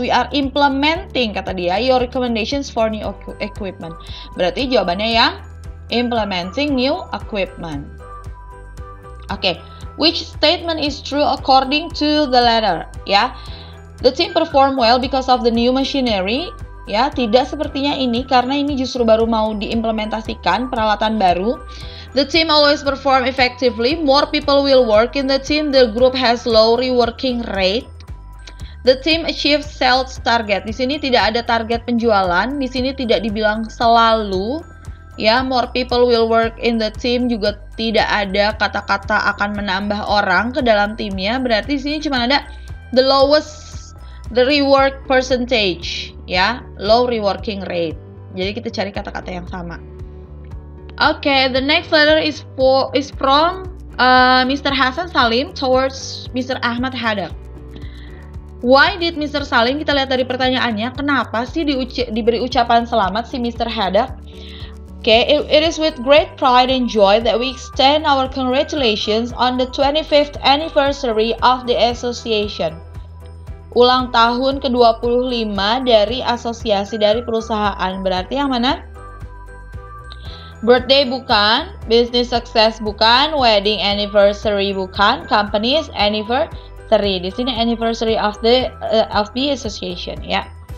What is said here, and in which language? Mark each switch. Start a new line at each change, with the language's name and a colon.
English: We are implementing,
Indonesian: kata dia,
English: your recommendations for new equipment.
Indonesian: Berarti jawabannya yang
English: implementing new equipment. Okay, which statement is true according to the letter? Ya, the team perform well because of the new machinery.
Indonesian: Ya, tidak sepertinya ini, karena ini justru baru mau diimplementasikan peralatan baru.
English: The team always perform effectively. More people will work in the team. The group has low reworking rate. The team achieve sales target.
Indonesian: Di sini tidak ada target penjualan. Di sini tidak dibilang selalu. Ya,
English: more people will work in the team
Indonesian: juga tidak ada kata-kata akan menambah orang ke dalam timnya. Berarti di sini cuma ada
English: the lowest the rework percentage.
Indonesian: Ya,
English: low reworking rate.
Indonesian: Jadi kita cari kata-kata yang sama.
English: Okay, the next letter is from Mr. Hasan Salim towards Mr. Ahmad Haddad. Why did Mr.
Indonesian: Salim, kita lihat dari pertanyaannya, kenapa sih diberi ucapan selamat si Mr. Haddad?
English: Okay, it is with great pride and joy that we extend our congratulations on the 25th anniversary of the association.
Indonesian: Ulang tahun ke-25 dari asosiasi, dari perusahaan. Berarti yang mana?
English: Birthday bukan, business success bukan, wedding anniversary bukan, company's anniversary.
Indonesian: Di sini
English: anniversary of the association,
Indonesian: ya.